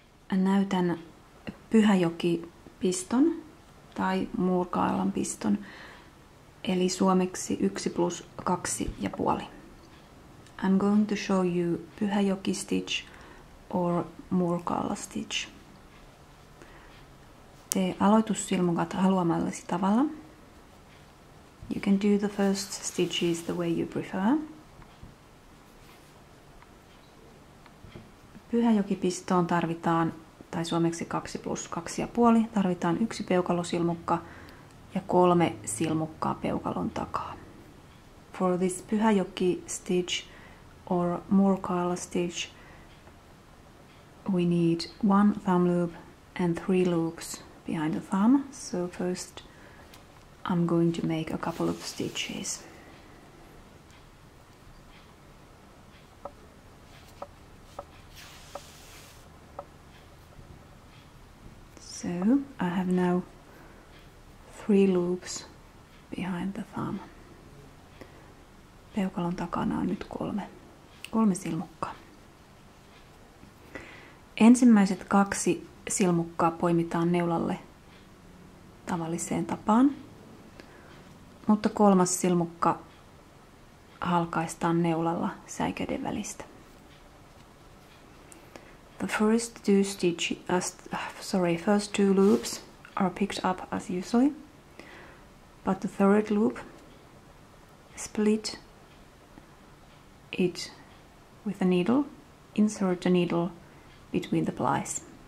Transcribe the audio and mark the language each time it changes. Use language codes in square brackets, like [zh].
[fi] näytän Pyhäjoki-piston tai Morkarlan piston, eli suomeksi 1 + 2.5. [en] I'm going to show you Pyhäjoki stitch or Morkarla stitch. [fi] Tee aloitussilmukat haluamallasi tavalla. [en] You can do the first stitches the way you prefer. [fi] Pyhäjokipistoon tarvitaan, tai suomeksi 2 + 2.5, tarvitaan 1 peukalosilmukka ja 3 silmukkaa peukalon takaa. [en] For this Pyhäjoki stitch or Morkarla stitch, we need 1 thumb loop and 3 loops behind the thumb. So first I'm going to make a couple of stitches. So I have now 3 loops behind the thumb. [fi] Peukalon takana on nyt 3 silmukkaa. Ensimmäiset 2 silmukkaa poimitaan neulalle tavalliseen tapaan, mutta 3. silmukka halkaistaan neulalla säikeiden välistä. [en] The first two first two loops are picked up as usually, but the third loop split it with a needle, insert a needle between the plies.